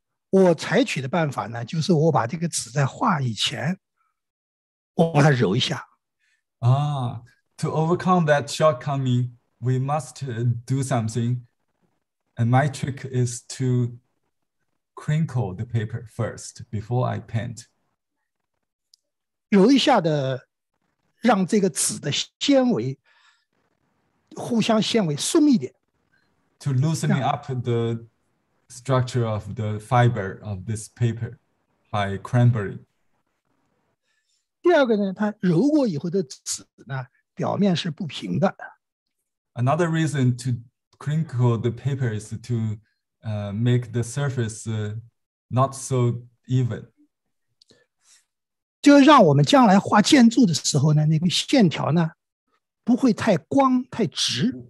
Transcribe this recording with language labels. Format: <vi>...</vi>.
<zh>我采取的办法呢，就是我把这个纸在画以前，我把它揉一下。</zh> <en>To overcome that shortcoming, we must do something. And my trick is to crinkle the paper first before I paint.</en> <zh>揉一下的，让这个纸的纤维互相纤维松一点。</zh> <en>To loosen up the structure of the fiber of this paper by crumbling.</en> <zh>第二个呢，它揉过以后的纸呢，表面是不平的。</zh> <en>Another reason to crinkle the paper is to make the surface not so even.</en> <zh>就让我们将来画建筑的时候呢，那个线条呢不会太光太直。</zh>